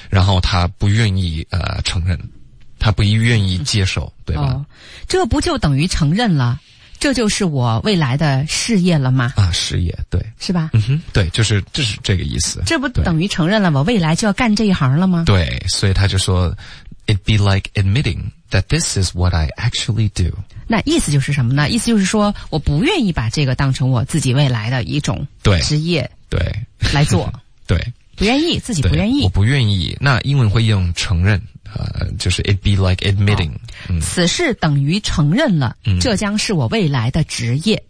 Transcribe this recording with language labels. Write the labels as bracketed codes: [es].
[zh] 然后他不愿意承认。他不愿意接受对吧、哦、这不就等于承认了这就是我未来的事业了吗啊事业对。是吧嗯哼对就是这是这个意思。这不等于承认了我未来就要干这一行了吗对所以他就说 [en] It'd be like admitting that this is what I actually do. [zh] 那意思就是什么呢意思就是说我不愿意把这个当成我自己未来的一种职业对来做。对。对不愿意自己不愿意。我不愿意那英文会用承认。就是 [en] it'd be like admitting,、哦嗯、 [zh] 此事等于承认了、嗯、这将是我未来的职业。